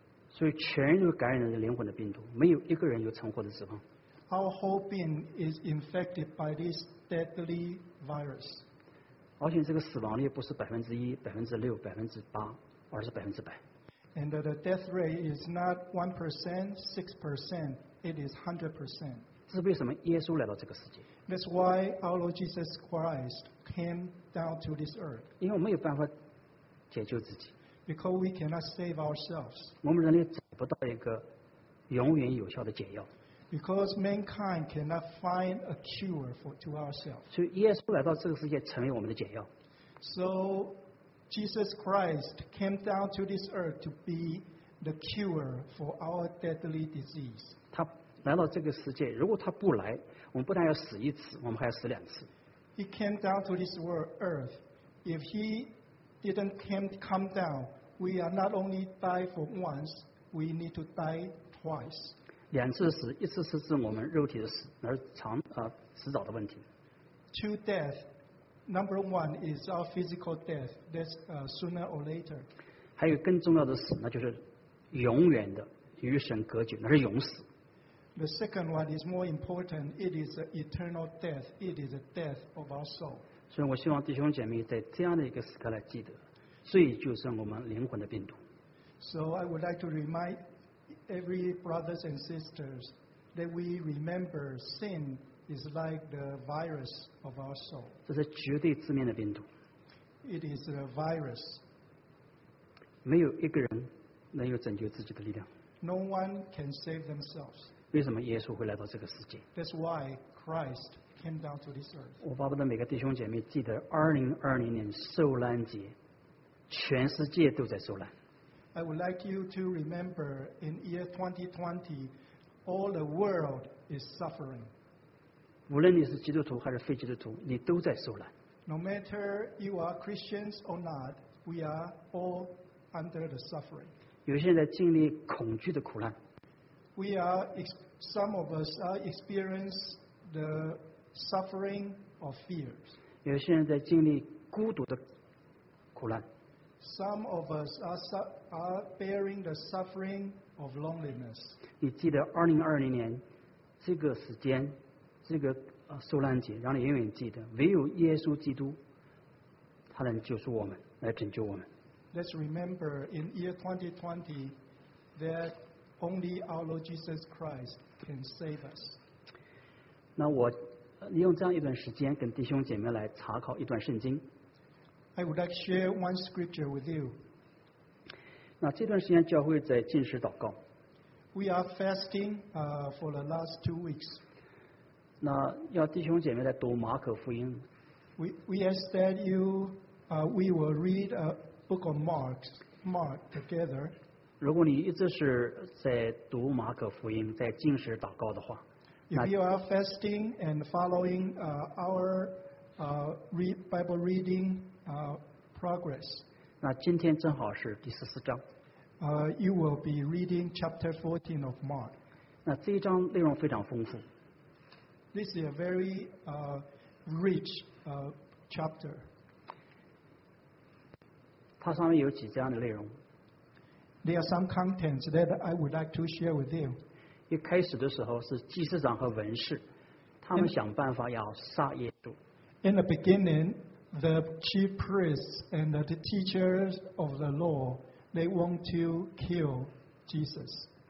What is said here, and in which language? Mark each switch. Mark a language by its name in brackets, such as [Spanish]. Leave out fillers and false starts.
[Chinese] 所以全人都感染了灵魂的病毒，没有一个人有存活的指望。 [English] Our whole being is infected by this deadly virus. [Chinese] 而且这个死亡率不是1%、6%、8%，而是100%。 [English] And the death rate is not 1%, 6%, it is 100%. [Chinese] 这是为什么耶稣来到这个世界 [English] ？That's why our Lord Jesus Christ came down to this earth. [Chinese] 因为我们没有办法解救自己。 [English] Because we cannot save ourselves. [Chinese] 我们人类找不到一个永远有效的解药。 [English] Because mankind cannot find a cure to ourselves. [Chinese] 所以耶稣来到这个世界，成为我们的解药。 [English] So Jesus Christ came down to this earth to be the cure for our deadly disease. [Chinese] 他来到这个世界，如果他不来，我们不但要死一次，我们还要死两次。 [English] He came down to this world, earth. If he didn't come down, we are not only die for once, we need to die twice. [Chinese] 两次死，一次是指我们肉体的死，而长迟早的问题。 [English] Two death. Number one is our physical death. That's sooner or later. [Chinese] 还有更重要的死，那就是永远的与神隔绝，那是永死。 [English] The second one is more important. It is an eternal death. It is a death of our soul. [Chinese] 所以我希望弟兄姐妹在这样的一个时刻来记得，罪就是我们灵魂的病毒。 [English] So I would like to remind every brothers and sisters that we remember sin is like the virus of our soul. [Chinese] 这是绝对致命的病毒。 [English] it is a virus. [Chinese] 没有一个人能有拯救自己的力量。 [English] No one can save themselves. [Chinese] 为什么耶稣会来到这个世界？ [English] That's why Christ came down to this earth. [Chinese] 我巴不得每个弟兄姐妹记得2020年受难节，全世界都在受难。 [English] I would like you to remember in year 2020, all the world is suffering. [Chinese] 无论你是基督徒还是非基督徒，你都在受难。 [English] No matter you are Christians or not, we are all under the suffering. [Chinese] 有些人在经历恐惧的苦难。 [English] We are, some of us are experiencing the suffering of fears. [Chinese] 有些人在经历孤独的苦难。 [English] Some of us are bearing the suffering of loneliness. [Chinese] 你记得2020年这个时间，这个受难节，让你永远记得，唯有耶稣基督，他能救赎我们，来拯救我们。 [English] Let's remember in year 2020 that only our Lord Jesus Christ can save us. [Chinese] 那我利用这样一段时间，跟弟兄姐妹来查考一段圣经。 [English] I would like to share one scripture with you. [Chinese] 那这段时间教会在禁食祷告。 [English] We are fasting for the last 2 weeks. [Chinese] 那要弟兄姐妹来读马可福音。 [English] We ask that you, we will read a book of Mark together. [Chinese] 如果你一直是在读马可福音，在禁食祷告的话。 [English] If you are fasting and following Bible reading, progress. [Chinese] 那今天正好是第十四章。 [English] You will be reading chapter 14 of Mark. [Chinese] 那这一章内容非常丰富。 [English] This is a very rich chapter. [Chinese] 它上面有几章的内容。 [English] There are some contents that I would like to share with you. [Chinese] 一开始的时候是祭司长和文士，他们想办法要杀耶稣。 [English] In the beginning,The chief priests and the teachers of the law, they want to kill Jesus.